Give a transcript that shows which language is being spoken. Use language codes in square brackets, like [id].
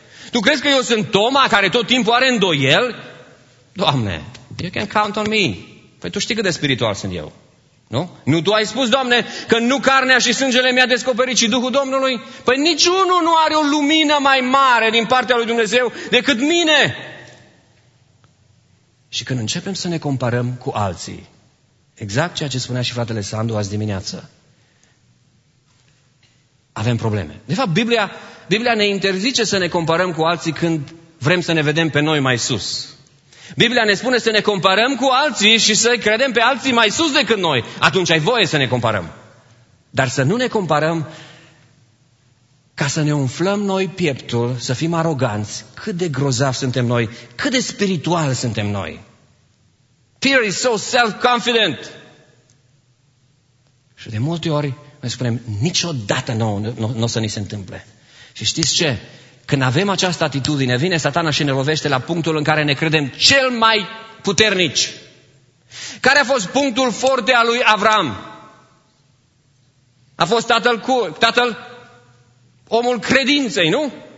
[ro] Tu crezi că eu sunt Toma care tot timpul are îndoieli? [en] Doamne, you can count on me. [ro] Păi tu știi cât de spiritual sunt eu. Nu? Nu tu ai spus, Doamne, că nu carnea și sângele mi-a descoperit, ci Duhul Domnului? Păi niciunul nu are o lumină mai mare din partea lui Dumnezeu decât mine. Și când începem să ne comparăm cu alții, exact ceea ce spunea și fratele Sandu azi dimineață, avem probleme. De fapt, Biblia ne interzice să ne comparăm cu alții când vrem să ne vedem pe noi mai sus. Biblia ne spune să ne comparăm cu alții și să credem pe alții mai sus decât noi. Atunci ai voie să ne comparăm. Dar să nu ne comparăm ca să ne umflăm noi pieptul, să fim aroganți, cât de grozav suntem noi, cât de spiritual suntem noi. [en] Peter is so self-confident. [ro] Și de multe ori noi spunem, niciodată nu o să ni se întâmple. Și știți ce? Când avem această atitudine, vine Satana și ne lovește la punctul în care ne credem cel mai puternici. Care a fost punctul forte al lui Avram? A fost tatăl omul credinței, nu?